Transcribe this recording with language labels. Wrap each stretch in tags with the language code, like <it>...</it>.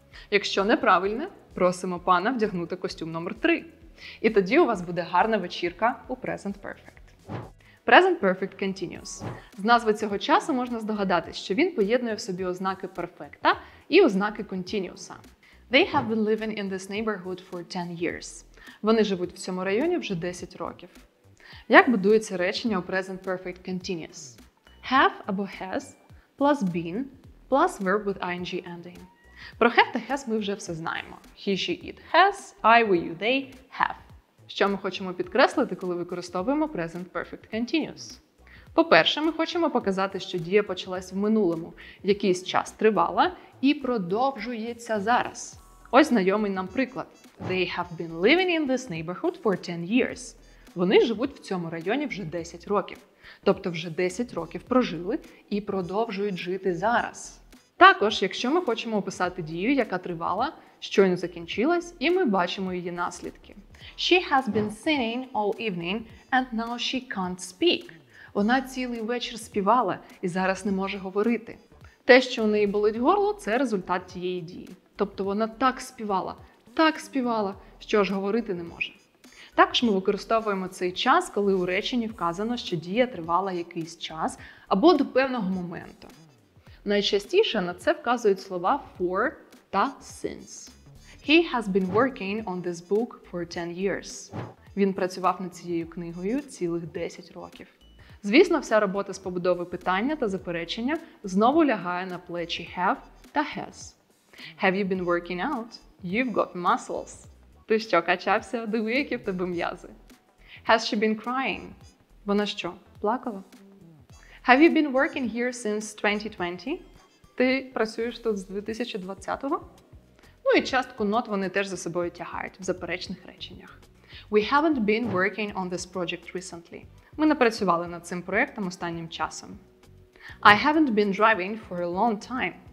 <uk>Якщо неправильне, просимо пана вдягнути костюм номер 3. І тоді у вас буде гарна вечірка у present perfect. Present perfect continuous. З назви цього часу можна здогадатися, що він поєднує в собі ознаки перфекта і ознаки continuous-а.</uk> <en>They have been living in this neighborhood for 10 years.</en> <uk>Вони живуть в цьому районі вже 10 років. Як будується речення у present perfect continuous?</uk> <en>Have або has plus been plus verb with ing ending.</en> <uk>Про have та has ми вже все знаємо.</uk> <en>He, she, it has, I, we, you, they have.</en> <uk>Що ми хочемо підкреслити, коли використовуємо present perfect continuous? По-перше, ми хочемо показати, що дія почалась в минулому, якийсь час тривала і продовжується зараз. Ось знайомий нам приклад.</uk> <en>They have been living in this neighborhood for 10 years.</en> <uk>Вони живуть в цьому районі вже 10 років. Тобто вже 10 років прожили і продовжують жити зараз. Також, якщо ми хочемо описати дію, яка тривала, щойно закінчилась, і ми бачимо її наслідки.</uk> <en>She has been singing all evening and now she can't speak.</en> <uk>Вона цілий вечір співала і зараз не може говорити. Те, що у неї болить горло, це результат тієї дії. Тобто вона так співала, що аж говорити не може. Також ми використовуємо цей час, коли у реченні вказано, що дія тривала якийсь час або до певного моменту. Найчастіше на це вказують слова for та since.</uk> <en>He has been working on this book for 10 years.</en> <uk>Він працював над цією книгою цілих 10 років. Звісно, вся робота з побудови питання та заперечення знову лягає на плечі have та has.</uk> <en>Have you been working out? You've got muscles.</en> <uk>Ти що, качався? Диви, які в тебе м'язи.</uk> <en>Has she been crying?</en> <uk>Вона що, плакала?</uk> <en>Have you been working here since 2020?</en> <uk>Ти працюєш тут з 2020-го? Ну і частку not вони теж за собою тягають в заперечних реченнях.</uk> <en>We haven't been working on this project recently.</en> <uk>Ми не працювали над цим проєктом останнім часом.</uk> <en>I haven't been driving for a long time.</en>